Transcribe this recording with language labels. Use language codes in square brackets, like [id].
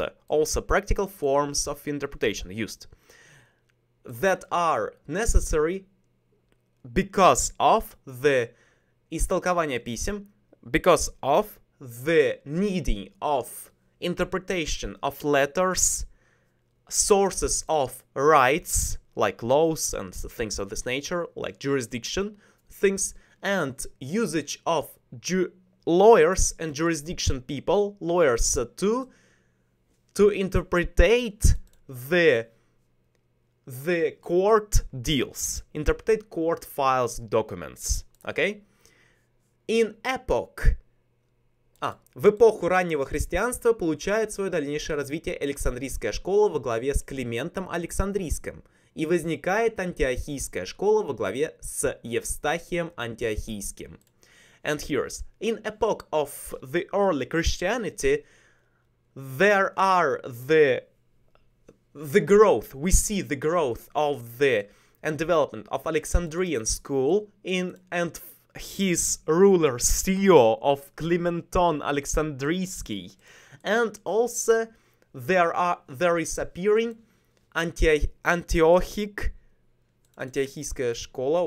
[en] Used practical forms of interpretation that are necessary because of the [ru] истолкование писем, [en] because of the needing of interpretation of letters, sources of rights, like laws and things of this nature, like jurisdiction things, and usage of lawyers and jurisdiction people, lawyers to interpretate the court deals, interpretate court files documents, okay? [ru] В эпоху раннего христианства получает свое дальнейшее развитие Александрийская школа во главе с Климентом Александрийским, и возникает Антиохийская школа во главе с Евстахием Антиохийским. [en] And here's, in epoch of the early Christianity, there are the the growth, we see the growth of the and development of Alexandrian school in and his ruler CEO of Clementon Alexandrisky, and also there is appearing Antiochic [ru] школа.